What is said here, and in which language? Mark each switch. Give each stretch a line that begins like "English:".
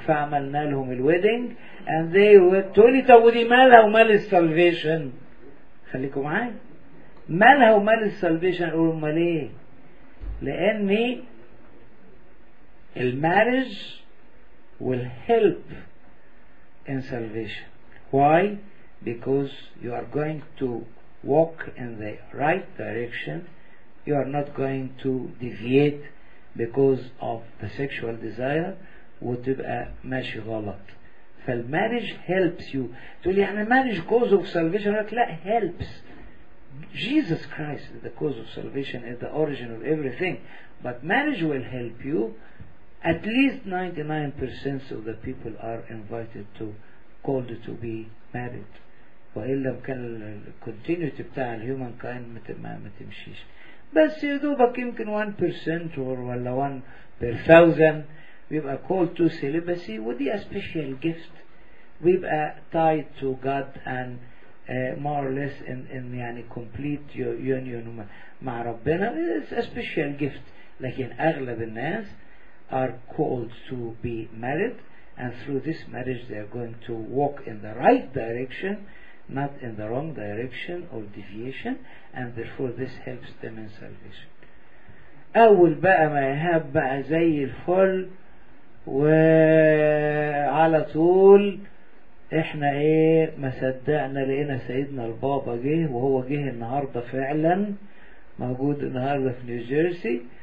Arabic: فعملنا لهم الويدنج
English: and they were
Arabic: تقولي طب ودي مالها ومال السالفيشن؟ خليكم معايا مالها ومال السالفيشن. قولوا مال ايه؟ لاني المارج
English: will help in salvation. Why? Because you are going to walk in the right direction. You are not going to deviate because of the sexual desire.
Arabic: وتبقى ماشي غلط.
English: فالmarriage helps you.
Arabic: تقول يعني
English: marriage cause of salvation؟
Arabic: لا
English: helps. Jesus Christ is the cause of salvation is the origin of everything. But marriage will help you. At least 99% of the people are invited to called to be married.
Arabic: وإلا كان continuity بتاع الهيومن كايند ما تمشيش. بس يدوبك يمكن 1% ولا 1 per 1000 بيبقى
English: called to celibacy
Arabic: ودي
English: a special gift.
Arabic: بيبقى
English: tied to God and more or less in
Arabic: يعني
English: complete union
Arabic: مع ربنا.
English: It's a special gift.
Arabic: لكن أغلب الناس
English: are called to be married and through this marriage they are going to walk in the right direction not in the wrong direction or deviation and therefore this helps them in salvation.
Arabic: أول بقى ما يهاب بقى زي الفل وعلى طول احنا ايه ما صدقنا لقينا سيدنا البابا جه وهو جه النهاردة فعلا موجود النهاردة في نيوجيرسي.